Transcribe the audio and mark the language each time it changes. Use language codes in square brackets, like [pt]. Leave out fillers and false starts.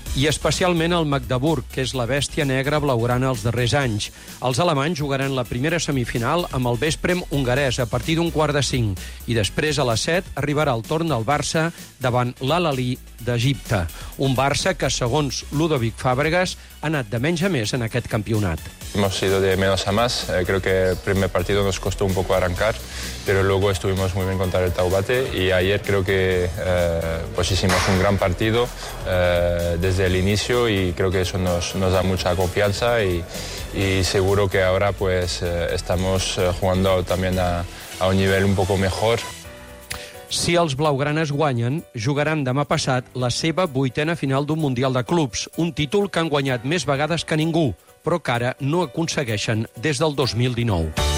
[ca] I especialment el Magdeburg, que és la bèstia negra blaugrana els darrers anys. Els alemanys jugaran la primera semifinal amb el Veszprém hongarès a partir d'un 4:15. I després, a les 7, arribarà el torn del Barça davant l'Al-Ahly d'Egipte. Un Barça que, segons Ludovic Fàbregas, ha anat de menys a més en aquest campionat. [es] Hemos sido de menos a más. Creo que el primer partido nos costó un poco arrancar, pero luego estuvimos muy bien contra el Taubaté y ayer creo que pues hicimos un gran partido desde el inicio y creo que eso nos da mucha confianza y seguro que ahora pues estamos jugando también a un nivel un poco mejor. [ca] Si els blaugranes guanyen, jugaran demà passat la seva 8a final d'un Mundial de Clubs, un títol que han guanyat més vegades que ningú, però que ara no aconsegueixen des del 2019.